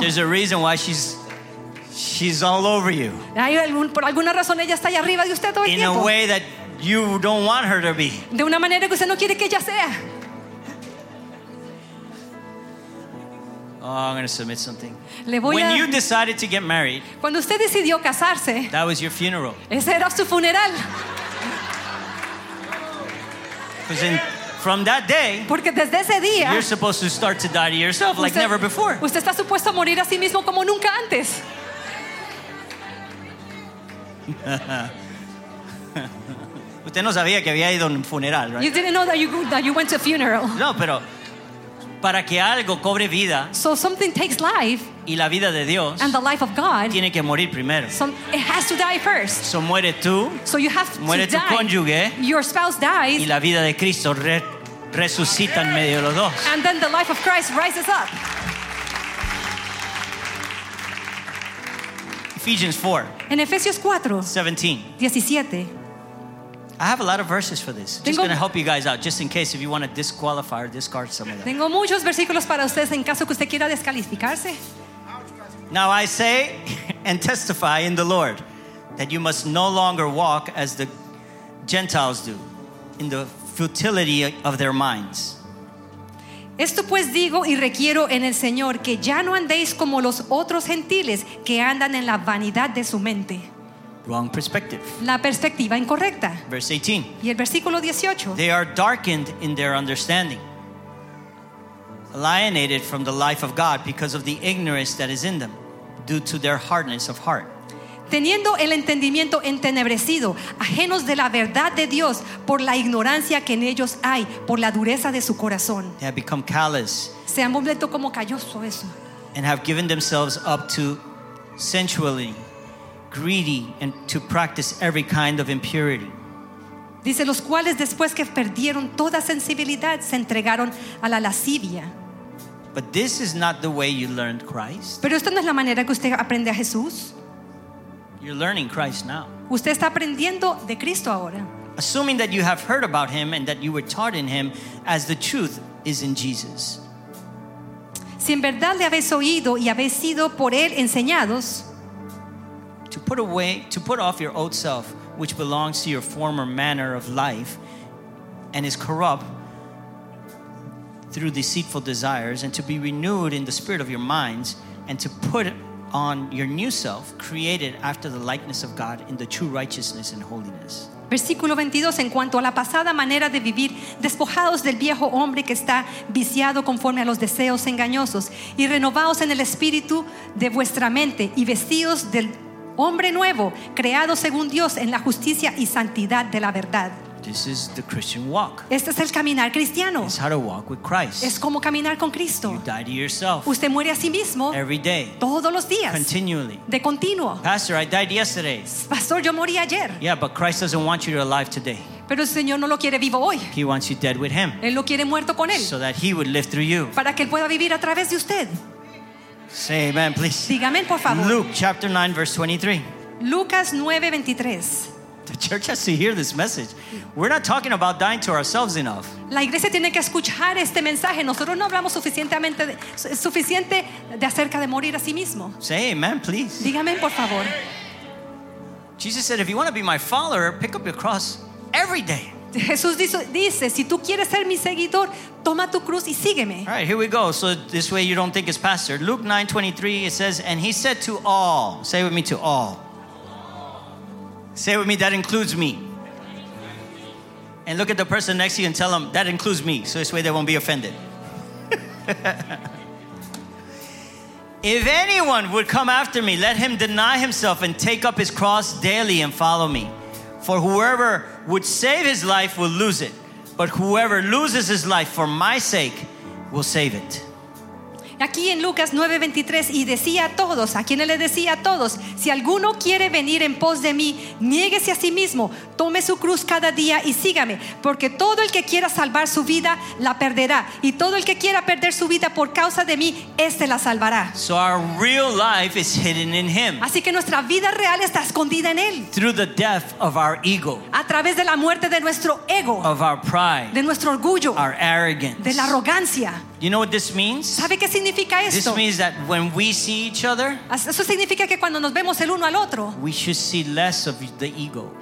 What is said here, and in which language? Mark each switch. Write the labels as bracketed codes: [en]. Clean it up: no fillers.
[en] There's a reason why she's all over you. [es] Hay por alguna razón ella está ahí arriba de usted todo el tiempo. [en] In a way that you don't want her to be. [es] De una manera que usted no quiere que ella sea. [en] Oh, I'm going to submit something. [es] Le voy [en] when a, you decided to get married. [es] Cuando usted decidió casarse. [en] That was your funeral. [es] Ese era su funeral. [en] Because in from that day, [es] porque desde ese día, [en] you're supposed to start to die to yourself like never before. [es] Usted está supuesto a morir a sí mismo como nunca antes. Usted no sabía que había ido a un funeral, right? [en] You didn't know that you went to a funeral. [es] No, pero para que algo cobre vida, [en] so something takes life, [es] y la vida de Dios, [en] and the life of God, [es] tiene que morir primero. [en] So it has to die first. [es] So muere tú, [en] so you have [es] muere [en] to [es] tu [en] die. [es] Cónyuge, [en] your spouse dies, [es] y la vida de Cristo resucita en medio de los dos. [en] And then the life of Christ rises up. Ephesians 4. [es] En Efesios 4. [en] 17. [es] 17. [en] I have a lot of verses for this. Just going to help you guys out, just in case if you want to disqualify or discard some of them. [es] Tengo muchos versículos para ustedes en caso que usted quiera descalificarse. [en] Now I say and testify in the Lord that you must no longer walk as the Gentiles do. in the futility of their minds. [es] Esto pues digo y requiero en el Señor que ya no andéis como los otros gentiles que andan en la vanidad de su mente. [en] Wrong perspective. [es] La perspectiva incorrecta. [en] Verse 18. [es] Y el versículo 18. [en] They are darkened in their understanding, alienated from the life of God because of the ignorance that is in them, due to their hardness of heart. [es] Teniendo el entendimiento entenebrecido, ajenos de la verdad de Dios por la ignorancia que en ellos hay, por la dureza de su corazón. [en] They have become callous. [es] Se han vuelto como calloso eso. [en] And have given themselves up to sensuality, greedy, and to practice every kind of impurity. [es] Dice los cuales después que perdieron toda sensibilidad se entregaron a la lascivia. [en] But this is not the way you learned Christ. [es] Pero esta no es la manera que usted aprende a Jesús. [en] You're learning Christ now. [es] Usted está aprendiendo de Cristo ahora. [en] Assuming that you have heard about him and that you were taught in him as the truth is in Jesus. [es] Si en verdad le habéis oído y habéis sido por él enseñados. [en] To put off your old self, which belongs to your former manner of life and is corrupt through deceitful desires, and to be renewed in the spirit of your minds, and to put on your new self, created after the likeness of God in the true righteousness and holiness. [es] Versículo 22, en cuanto a la pasada manera de vivir, despojados del viejo hombre que está viciado conforme a los deseos engañosos, y renovados en el espíritu de vuestra mente, y vestidos del hombre nuevo, creado según Dios en la justicia y santidad de la verdad. [en] This is the Christian walk. [es] Este es el caminar cristiano. [en] It's how to walk with Christ. [es] Es como caminar con Cristo. [en] You die to yourself. [es] Usted muere a sí mismo. [en] Every day. [es] Todos los días. [en] Continually. [es] De continuo. [en] Pastor, I died yesterday. [es] Pastor, yo morí ayer. [en] Yeah, but Christ doesn't want you alive today. [es] Pero el Señor no lo quiere vivo hoy. [en] He wants you dead with him. [es] Él lo quiere muerto con él. [en] So that he would live through you. [es] Para que él pueda vivir a través de usted. [en] Say amen, please. [es] Dígame, por favor. [en] Luke chapter 9 verse 23. [es] Lucas 9, 23. [en] The church has to hear this message. We're not talking about dying to ourselves enough. [es] La iglesia tiene que escuchar este mensaje. Nosotros no hablamos suficiente acerca de morir a sí mismo. [en] Say amen, please. [es] Dígame, por favor. [en] Jesus said, if you want to be my follower, pick up your cross every day. [es] Jesús dice, si tú quieres ser mi seguidor, toma tu cruz y sígueme. [en] All right, here we go. So this way you don't think it's pastor. Luke 9, 23, it says, and he said to all, say with me, to all. Say with me, that includes me. And look at the person next to you and tell them, that includes me. So this way they won't be offended. If anyone would come after me, let him deny himself and take up his cross daily and follow me. For whoever would save his life will lose it. But whoever loses his life for my sake will save it. [es] Aquí en Lucas 9:23 y decía a todos, a quienes le decía a todos, si alguno quiere venir en pos de mí, niéguese a sí mismo, tome su cruz cada día y sígame, porque todo el que quiera salvar su vida la perderá, y todo el que quiera perder su vida por causa de mí, este la salvará. [en] So our real life is hidden in him. [es] Así que nuestra vida real está escondida en él. [en] Through the death of our ego. [es] A través de la muerte de nuestro ego. [en] Of our pride. [es] De nuestro orgullo. [en] Our arrogance. [es] De la arrogancia. [en] You know what this means? [es] ¿Sabe qué significa esto? [en] This means that when we see each other, [es] eso significa que cuando nos vemos el uno al otro, [en] we should see less of the ego.